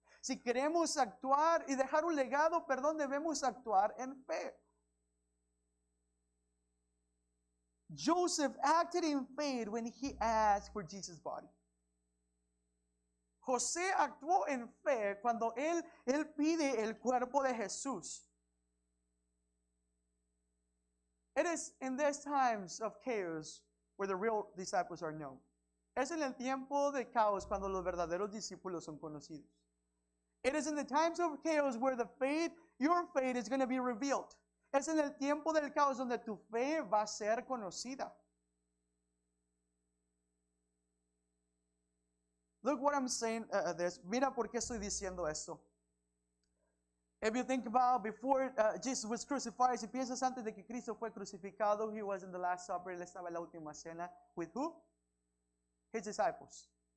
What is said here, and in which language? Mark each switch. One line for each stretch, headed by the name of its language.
Spanish: Si queremos actuar y dejar un legado, perdón, debemos actuar en fe.
English: Joseph acted in faith when he asked for Jesus' body.
Spanish: José actuó en fe cuando él pide el cuerpo de Jesús.
English: It is in these times of chaos where the real disciples are known.
Spanish: Es en el tiempo de caos cuando los verdaderos discípulos son conocidos.
English: It is in the times of chaos where the faith, your faith is going to be revealed.
Spanish: Es en el tiempo del caos donde tu fe va a ser conocida.
English: Look what I'm saying this.
Spanish: Mira por qué estoy diciendo esto.
English: If you think about before Jesus was crucified,
Spanish: si piensas antes de que Cristo fue crucificado,
English: he was in the Last Supper,
Spanish: él estaba en la última cena.
English: With who? His disciples.